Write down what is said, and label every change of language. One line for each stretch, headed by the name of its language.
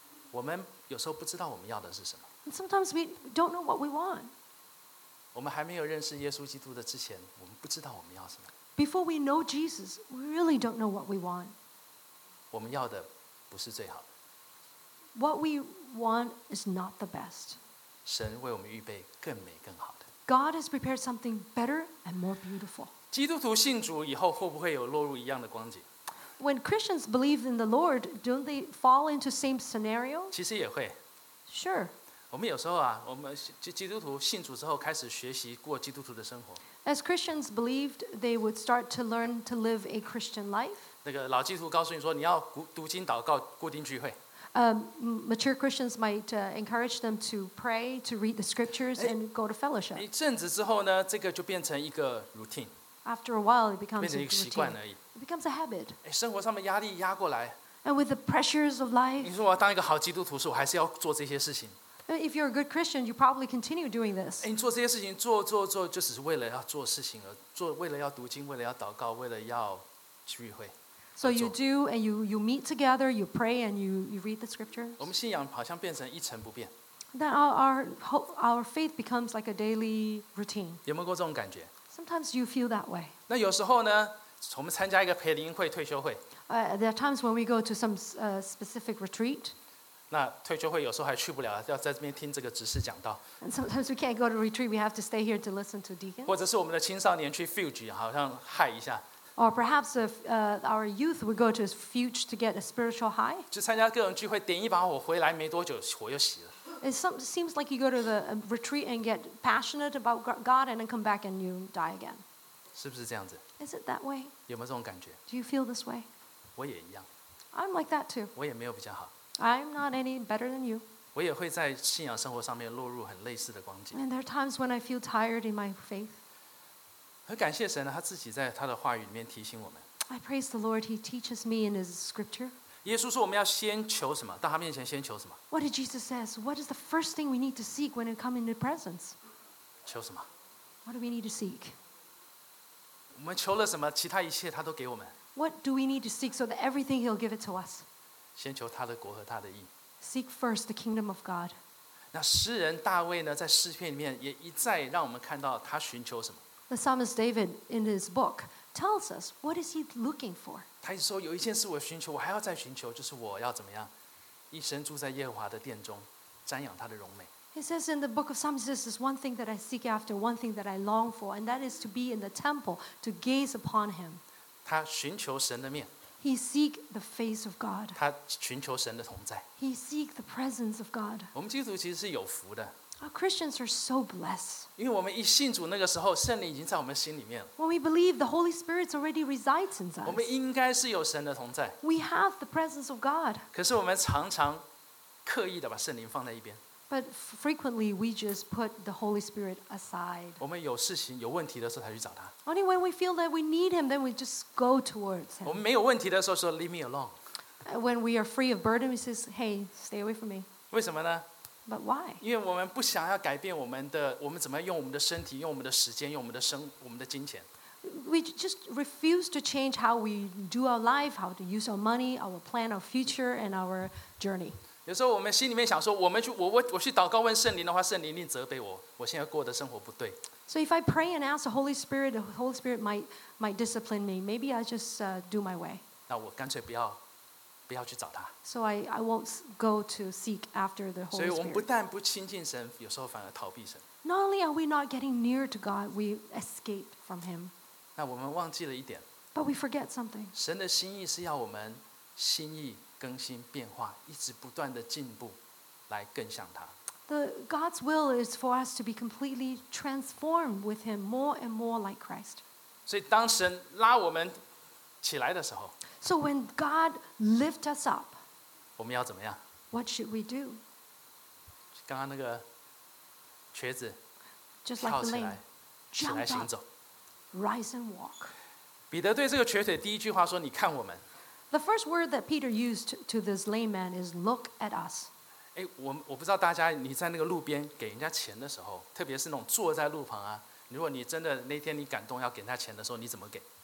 Chinese: 我们有时候不知道我们要的是什么。
English: And sometimes we don't know what we want.
Chinese: 我们还没有认识耶稣基督的之前，我们不知道我们要什么。
English: Before we know Jesus, we really don't know what we want.
Chinese: 我们要的不是最好的。
English: What we want is not the best.
Chinese: 神为我们预备更美更好的。
English: God has prepared something better and more beautiful.
Chinese: 基督徒信主以后会不会有落入一样的光景？
English: When Christians believe in the Lord, don't they fall into same scenario?
Chinese: 其实也会。
English: Sure.
Chinese: 我们有时候啊，我们基督徒信主之后开始学习过基督徒的生活。
English: As Christians believed, they would start to learn to live a Christian life.
Chinese: 那个老基督告诉你说，你要读经祷告，固定聚会。
English: Mature Christians might encourage them to pray, to read the scriptures, and go to fellowship.
Chinese: 一阵子之后呢，这个就变成一个 routine.
English: After a while, it becomes
Chinese: 变成一个习惯而已。
English: It becomes a habit.
Chinese: 生活上的压力压过来。
English: And with the pressures of life.
Chinese: 你说我要当一个好基督徒，我还是要做这些事情。
English: If you're a good Christian, you probably continue doing this.
Chinese: 你做这些事情，做做做，就只是为了要做事情而做，为了要读经，为了要祷告，为了要聚会。
English: So you do, and you meet together, you pray, and you read the scriptures.
Chinese: 我们信仰好像变成一成不变。
English: Then our faith becomes like a daily routine.
Chinese: 有没有过这种感觉
English: ？Sometimes you feel that way.
Chinese: 那有时候呢，我们参加一个培灵会、退休会。
English: There are times when we go to some specific retreat.
Chinese: 那退休会有时候还去不了，要在这边听这个执事讲道。
English: And sometimes we can't go to retreat, we have to stay here to listen to deacons.
Chinese: 或者是我们的青少年去 Fuge, 好像 high 一下。
English: Or perhaps if our youth would go to Fuge to get a spiritual high.
Chinese: 就参加各种聚会，点一把火回来没多久，火又熄了。
English: It seems like you go to the retreat and get passionate about God and then come back and you die again.
Chinese: 是不是这样子
English: ？Is it that way?
Chinese: 有没有这种感觉
English: ？Do you feel this way?
Chinese: 我也一样。
English: I'm like that too.
Chinese: 我也没有比较好。
English: I'm not any better than you.
Chinese: 我也会在信仰生活上面落入很类似的光景。
English: And there are times when I feel tired in my faith.
Chinese: 很感谢神呢，他自己在他的话语里面提醒我们。
English: I praise the Lord. He teaches me in His Scripture.
Chinese: 耶稣说我们要先求什么？到他面前先求什么
English: ？What did Jesus say? What is the first thing we need to seek when we come into presence?
Chinese: 求什么
English: ？What do we need to seek?
Chinese: 我们求了什么？其他一切他都给我们。
English: What do we need to seek so that everything He'll give it to us?
Chinese: 先求他的国和他的义。
English: Seek first the kingdom of God.
Chinese: 那诗人大卫呢，在诗篇里面也一再让我们看到他寻求什么。
English: The psalmist David in his book tells us what is he looking for.
Chinese: 他说有一件事我寻求，我还要再寻求，就是我要怎么样，一生住在耶和华的殿中，瞻仰他的荣美。
English: He says in the book of Psalms, this is one thing that I seek after, one thing that I long for, and that is to be in the temple to gaze upon Him.
Chinese: 他寻求神的面。
English: He seek the face of God.
Chinese: 他寻求神的同在。
English: He seek the presence of God.
Chinese: 我们基督徒其实是有福的。
English: Our Christians are so blessed.
Chinese: 因为我们一信主那个时候，圣灵已经在我们心里面了。
English: When we believe, the Holy Spirit already resides in us.
Chinese: 我们应该是有神的同在。
English: We have the presence of God.
Chinese: 可是我们常常刻意的把圣灵放在一边。
English: But frequently we just put the Holy Spirit aside.
Chinese: 我们有事情有问题的时候才去找他。
English: Only when we feel that we need him, then we just go towards him.
Chinese: 我们没有问题的时候说
English: leave me alone. When we are free of burden, we say, hey, stay away from me.
Chinese: 为什么呢？
English: But why?
Chinese: 因为我们不想要改变我们的，我们怎么用我们的身体，用我们的时间，用我们的生，我们的金钱。
English: We just refuse to change how we do our life, how to use our money, our plan, our future, and our journey.
Chinese: 有时候我们心里面想说，我们去，我去祷告问圣灵的话，圣灵一定责备我，我现在过的生活不对。
English: So if I pray and ask the Holy Spirit might discipline me. Maybe I just do my way.
Chinese: 那我干脆不要去找他。
English: So I won't go to seek after the Holy Spirit.
Chinese: 所以我们不但不亲近神，有时候反而逃避神。
English: Not only are we not getting near to God, we escape from Him.
Chinese: 那我们忘记了一点。
English: But we forget something.
Chinese: 神的心意是要我们心意更新变化，一直不断的进步，来更像他。
English: The God's will is for us to be completely transformed with Him, more and more like Christ.
Chinese: 所以当神拉我们起来的时候。
English: So when God lifts us up,
Chinese: 我们要怎么样？
English: What should we do?
Chinese: 刚刚那个瘸子
English: Just like
Chinese: 跳起来，
English: the lame,
Chinese: 起来行走。
English: Rise and walk.
Chinese: 彼得对这个瘸腿第一句话说：“你看我们。”
English: The first word that Peter used to this lame man is "Look at us."
Chinese: 哎，我不知道大家你在那个路边给人家钱的时候，特别是那种坐在路旁啊，如果你真的那天你感动要给人家钱的时候，你怎么给？